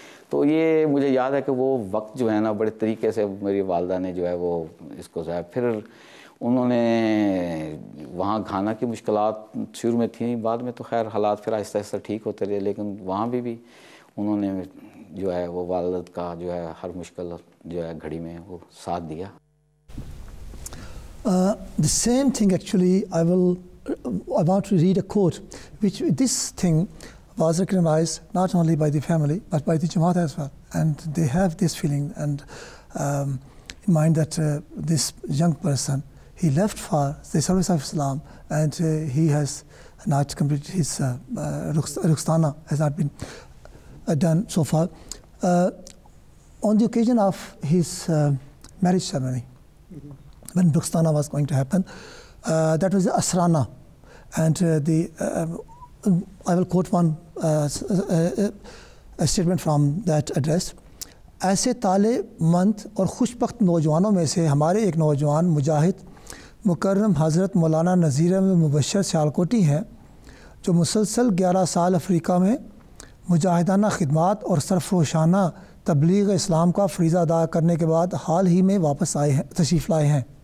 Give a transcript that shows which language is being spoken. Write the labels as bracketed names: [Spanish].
[Urdu] تو یہ مجھے یاد ہے کہ وہ وقت جو ہے نا بڑے طریقے سے میری والدہ نے جو ہے وہ اس کو جو ہے پھر انہوں نے وہاں کھانا کی مشکلات شروع میں تھیں, بعد میں تو خیر حالات پھر آہستہ آہستہ ٹھیک ہوتے رہے, لیکن وہاں بھی انہوں نے جو ہے وہ والد کا جو ہے ہر مشکل جو ہے گھڑی میں وہ ساتھ دیا. [English] The same thing actually, I want to read a quote which this thing was recognized not only by the family but by the Jamaat as well, and they have this feeling and in mind that this young person, he left for the service of Islam and he has not completed his rukhsana, has not been done so far. On the occasion of his marriage ceremony, mm-hmm. when rukhsana was going to happen, that was the asrana, and the I will quote one a statement from that address. [Urdu] ایسے طالب مند اور خوش بخت نوجوانوں میں سے ہمارے ایک نوجوان مجاہد مکرم حضرت مولانا نذیر احمد مبشر سیالکوٹی ہیں, جو مسلسل 11 سال افریقہ میں مجاہدانہ خدمات اور سرفروشانہ تبلیغ اسلام کا فریضہ ادا کرنے کے بعد حال ہی میں واپس آئے ہیں, تشریف لائے ہیں.